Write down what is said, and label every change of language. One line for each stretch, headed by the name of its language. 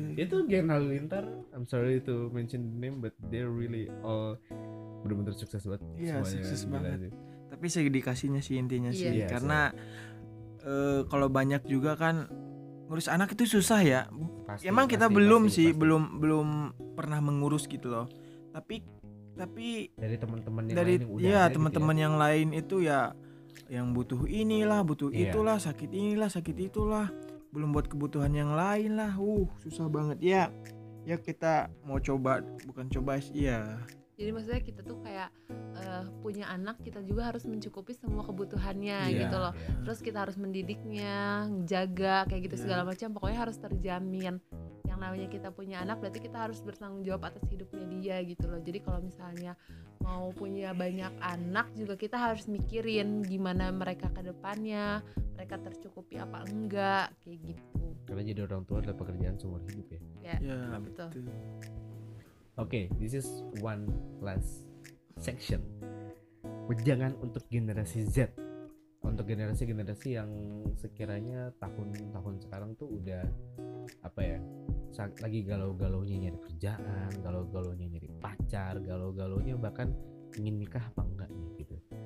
Indonesian: Itu
English: Gen Halilintar, I'm sorry to mention the name but they're really all
Indonesian: benar-benar sukses banget. Iya sukses banget. Tapi saya dikasihnya sih intinya sih karena kalau banyak juga kan ngurus anak itu susah ya. Pasti, emang kita belum pernah mengurus gitu loh. Tapi dari teman-teman yang lain udah. Iya teman-teman gitu yang ya. Lain itu ya. Yang butuh inilah, butuh itulah, sakit inilah, sakit itulah. Belum buat kebutuhan yang lain lah. Susah banget ya. Ya kita mau coba, bukan coba sih ya. Jadi maksudnya kita tuh kayak punya anak, kita juga harus mencukupi semua kebutuhannya gitu loh. Terus kita harus mendidiknya, menjaga, kayak gitu segala macam. Pokoknya harus terjamin. Yang namanya kita punya anak berarti kita harus bertanggung jawab atas hidupnya dia gitu loh. Jadi kalau misalnya mau punya banyak anak juga kita harus mikirin gimana mereka ke depannya, mereka tercukupi apa enggak, kayak gitu. Karena jadi orang tua adalah pekerjaan seumur hidup ya. Iya, betul.
English: Okay, this is one last section.
Indonesian: Wejangan untuk generasi Z. Untuk generasi-generasi yang sekiranya tahun-tahun sekarang tuh udah apa ya? Lagi galau-galaunya nyari kerjaan, galau-galaunya nyari pacar, galau-galaunya bahkan ingin nikah apa enggak gitu.